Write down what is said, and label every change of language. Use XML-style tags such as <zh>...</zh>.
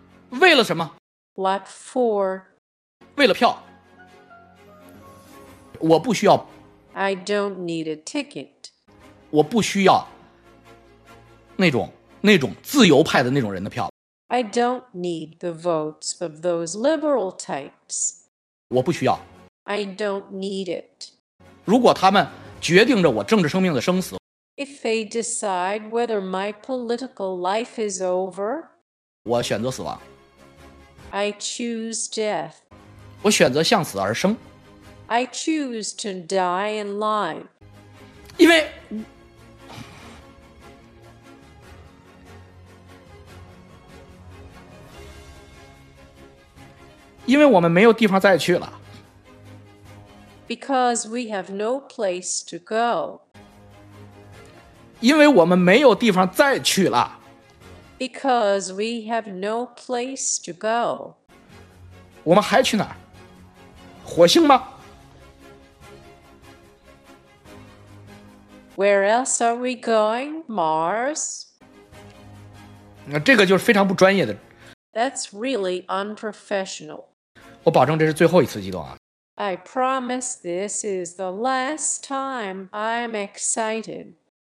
<zh>为了什么</zh> <en>What for?</en> <zh>为了票。我不需要。</zh> <en>I don't need a ticket.</en> <zh>我不需要那种自由派的那种人的票。</zh> <en>I don't need the votes of those liberal types.</en> <zh>我不需要。</zh> <en>I don't need it.</en> <zh>如果他们决定着我政治生命的生死。</zh> <en>If they decide whether my political life is over,</en> <zh>我选择死亡。</zh> <en>I choose death.</en> <zh>我选择向死而生。</zh> <en>I choose to die in line.</en> <zh>因为，我们没有地方再去了。</zh> <en>Because we have no place to go.</en> <zh>因为我们没有地方再去了。</zh> <en>Because we have no place to go.</en> <zh>我们还去哪儿？火星吗？</zh> <en>Where else are we going? Mars?</en> <zh>那这个就是非常不专业的。</zh> <en>That's really unprofessional.</en> <zh>我保证这是最后一次激动啊。</zh> <en>I promise this is the last time I'm excited.</en>